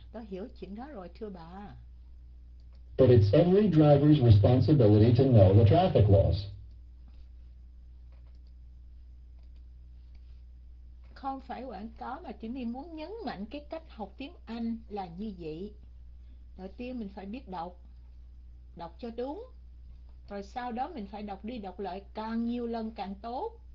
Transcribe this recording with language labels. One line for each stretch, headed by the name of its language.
Vietnamese: Tôi hiểu chuyện đó rồi, thưa bà.
English: But it's every driver's responsibility to know the traffic laws.
Vietnamese: Không phải quảng cáo mà chỉ mình muốn nhấn mạnh cái cách học tiếng Anh là như vậy. Đầu tiên mình phải biết đọc, đọc cho đúng. Rồi sau đó mình phải đọc đi đọc lại càng nhiều lần càng tốt.